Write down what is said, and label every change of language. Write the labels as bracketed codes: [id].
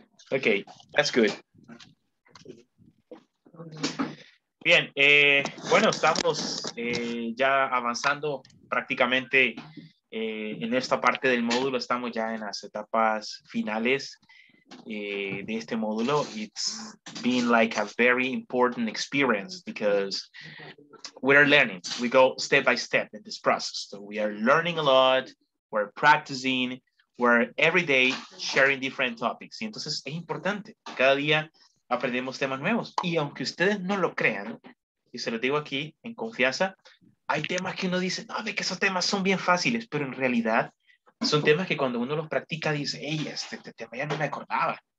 [en] Ok, that's good. [es] Bien, bueno, estamos ya avanzando prácticamente... en esta parte del módulo estamos ya en las etapas finales de este módulo. [en] It's been like a very important experience because we are learning. We go step by step in this process. So we are learning a lot, we're practicing, we're every day sharing different topics. [es] Y entonces es importante, cada día aprendemos temas nuevos. Y aunque ustedes no lo crean, y se lo digo aquí en confianza, hay temas que uno dice, no, de que esos temas son bien fáciles, pero en realidad son temas que cuando uno los practica dice, hey, este tema ya no me acordaba.